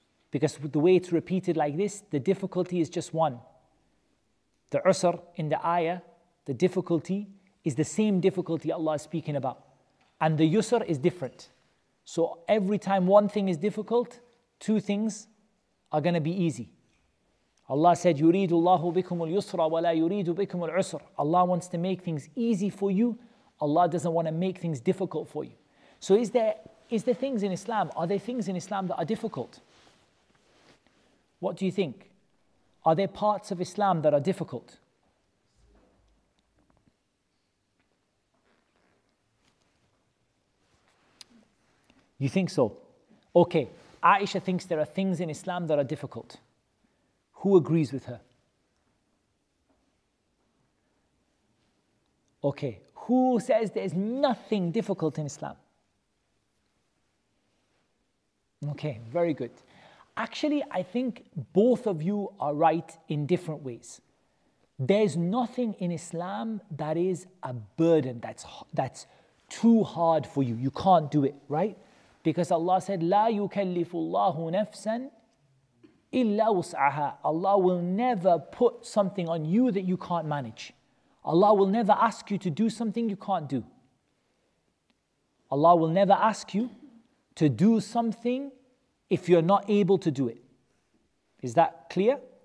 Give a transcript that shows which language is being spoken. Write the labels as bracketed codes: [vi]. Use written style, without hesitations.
[en] Because the way it's repeated like this, the difficulty is just one. The usr in the ayah, the difficulty, is the same difficulty Allah is speaking about. And the yusr is different. So every time one thing is difficult, two things are going to be easy. Allah said, [ar] يُرِيدُ اللَّهُ بِكُمُ الْيُسْرَ وَلَا يُرِيدُ بِكُمُ الْعُسْرَ. [en] Allah wants to make things easy for you. Allah doesn't want to make things difficult for you. So is there things in Islam? Are there things in Islam that are difficult? What do you think? Are there parts of Islam that are difficult? You think so? Okay, Aisha thinks there are things in Islam that are difficult. Who agrees with her? Okay, who says there's nothing difficult in Islam? Okay, very good. Actually, I think both of you are right in different ways. There's nothing in Islam that is a burden, that's too hard for you. You can't do it, right? Because Allah said, [ar] لا يكلف الله نفسا إلا وسعها. [en] Allah will never put something on you that you can't manage. Allah will never ask you to do something you can't do. Allah will never ask you to do something if you're not able to do it. Is that clear?